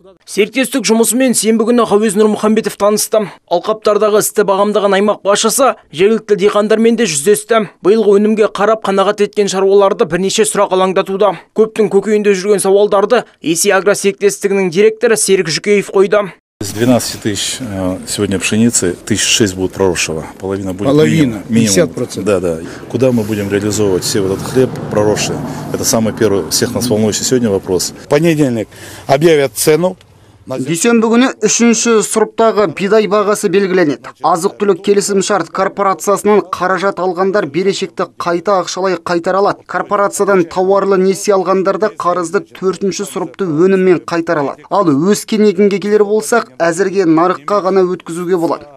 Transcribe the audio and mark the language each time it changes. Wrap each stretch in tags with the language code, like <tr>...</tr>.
<kk>Серіктестік жұмысымен сенбі күні Хауез Нұрмұхамбетов танысты. Алқаптардағы істі бағамдаған аймақ басшысы жергілікті диқандармен де жүздесті. Биылғы өнімге қарап қанағат еткен шаруаларды бірнеше сұрақ алаңдатуда. Көптің көкейінде жүрген сауалдарды Есей Агро серіктестігінің директоры Серік Жүкеев қойды.</kk> <ru>С 12 тысяч сегодня пшеницы, 1006 будет проросшего. Половина будет половина, минимум. 50%. Да, да. Куда мы будем реализовывать все вот этот хлеб проросший? Это самый первый всех нас волнующий сегодня вопрос. В понедельник объявят цену.</ru> <kk>Дүйсенбі күні үшінші сұрыптағы бидай бағасы белгіленеді. Азық-түлік келісімшарт корпорациясынан қаражат алғандар берешекті қайта ақшалай қайтара алады. Корпорациядан тауарлы несие алғандар да қарызды төртінші сұрыпты өніммен қайтара алады. Ал өскен егінге келер болсақ, әзірге нарыққа ғана өткізуге болады.</kk>